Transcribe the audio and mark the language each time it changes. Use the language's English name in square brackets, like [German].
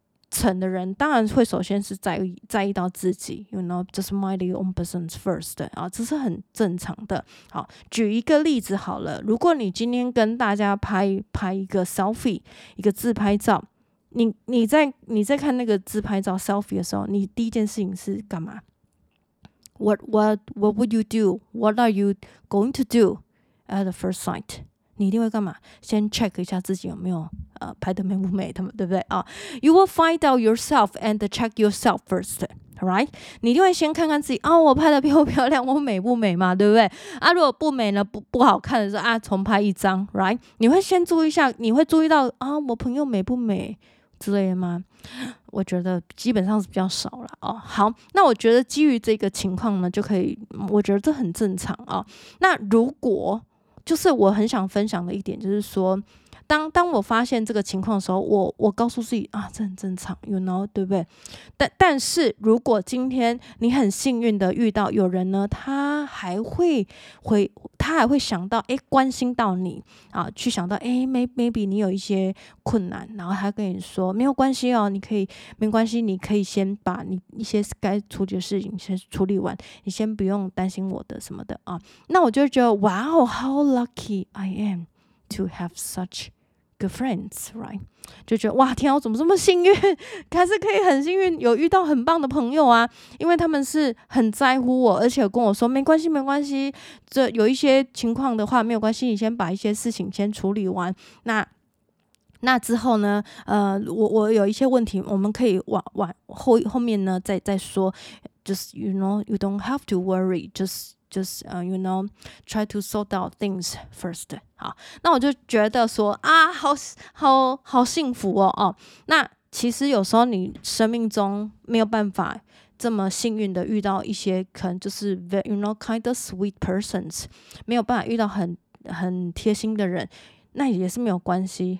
[Chinese] 层的人当然会首先是在意到自己 [English] you know just mind the own business first [Chinese] 啊，这是很正常的。好，举一个例子好了，如果你今天跟大家拍一个 selfie 一个自拍照，你在看那个自拍照 selfie 的时候，你第一件事情是干嘛？ [English] What would you do? What are you going to do at the first sight? [Chinese] 你一定会干嘛？先 check 一下自己有没有拍的美不美，对不对啊？ [English] You will find out yourself and check yourself first, right? [Chinese] 你一定会先看看自己啊，我拍的漂不漂亮，我美不美嘛，对不对？啊，如果不美呢，不好看的时候啊，重拍一张 ，right? 你会先注意一下，你会注意到啊，我朋友美不美之类的吗？我觉得基本上是比较少了哦。好，那我觉得基于这个情况呢，就可以，我觉得这很正常啊。那如果就是我很想分享的一点，就是说。当我发现这个情况的时候，我告诉自己啊，这很正常 ，you know， 对不对？但是如果今天你很幸运的遇到有人呢，他还会想到哎，关心到你啊，去想到哎 ，maybe 你有一些困难，然后他跟你说没有关系哦，你可以没关系，你可以先把你一些该处理的事情先处理完，你先不用担心我的什么的啊。那我就觉得哇哦 [English] ，how lucky I am。 To have such good friends, right? [Chinese] 就觉得哇，天啊，我怎么这么幸运？还是可以很幸运有遇到很棒的朋友啊，因为他们是很在乎我，而且跟我说没关系，没关系。这有一些情况的话，没有关系，你先把一些事情先处理完。那之后呢？我有一些问题，我们可以往后面呢再说。 [English] Just you know, you don't have to worry. Just, try to sort out things first. [Chinese] 好，那我就觉得说啊，好幸福哦哦。那其实有时候你生命中没有办法这么幸运的遇到一些可能就是 [English] you know kind of sweet persons， [Chinese] 没有办法遇到很贴心的人，那也是没有关系。